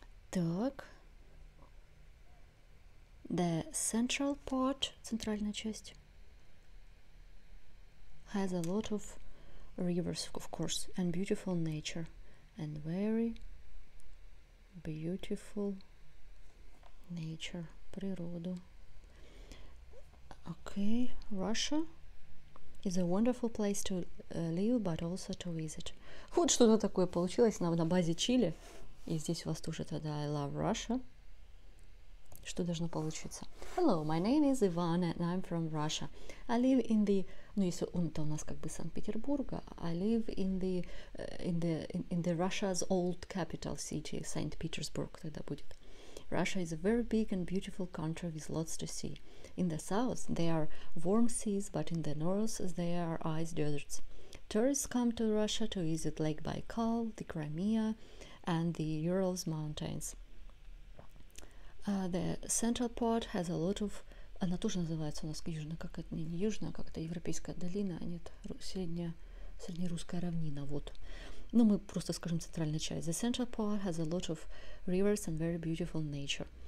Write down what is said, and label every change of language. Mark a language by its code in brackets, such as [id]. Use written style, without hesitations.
[en] Так, the central part, [ru] центральная часть, [en] has a lot of rivers, of course, and beautiful nature, and very beautiful nature, природу. Okay, Russia is a wonderful place to live, but also to visit. [ru] Вот что-то такое получилось на базе Чили. И здесь у вас тоже тогда [en] I love Russia. [ru] Что должно получиться? [en] Hello, my name is Ivan and I'm from Russia. I live in the... [ru] Ну, если он-то у нас как бы Санкт-Петербурга. [en] I live in the Russia's old capital city, St. Petersburg [ru] тогда будет. [en] Russia is a very big and beautiful country with lots to see. In the south, there are warm seas, but in the north, there are ice deserts. Tourists come to Russia to visit Lake Baikal, the Crimea, and the Urals Mountains. The central part has a lot of... [ru] Она тоже называется у нас южная, как это, не южная, как это европейская долина, а нет, среднерусская равнина, вот. Ну, мы просто скажем центральная часть. [en] The central part has a lot of rivers and very beautiful nature.